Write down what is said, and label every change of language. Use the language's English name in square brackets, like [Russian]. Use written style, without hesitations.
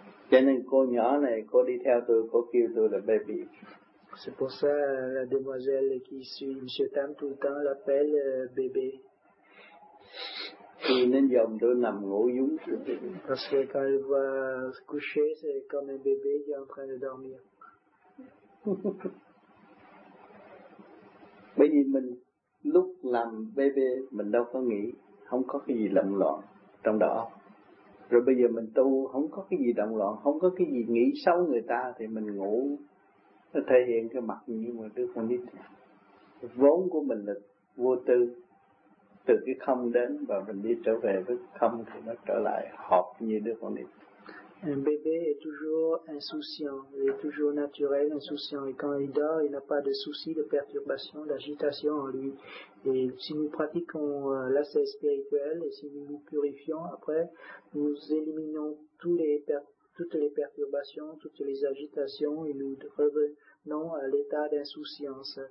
[Vietnamese] Cho nên cô nhỏ này, cô đi theo tôi, cô kêu tôi là baby. [French] C'est pour ça la demoiselle qui suit M. Tam tout le temps l'appelle bébé. [Vietnamese] Thì nên dòng tôi nằm ngủ dúng. [French] Parce que quand elle va se coucher, c'est comme un bébé qui est en train de dormir. [Vietnamese] Bởi vì mình lúc làm bébé mình đâu có nghĩ, không có cái gì lộn loạn trong đó. Rồi bây giờ mình tu không có cái gì lộn loạn, không có cái gì nghĩ xấu người ta thì mình ngủ. Nó thể hiện cái mặt như mà đứa con nít. Vốn của mình là vô tư. Từ cái không đến và mình đi trở về với không thì nó trở lại hợp như đứa con nít. [French] Un bébé est toujours insouciant, il est toujours naturel, insouciant. Et quand il dort, il n'a pas de soucis, de perturbations, d'agitation en lui. Et si nous pratiquons l'accès spirituel et si nous nous purifions, après, nous éliminons toutes les perturbations, toutes les agitations et nous revenons à l'état d'insouciance.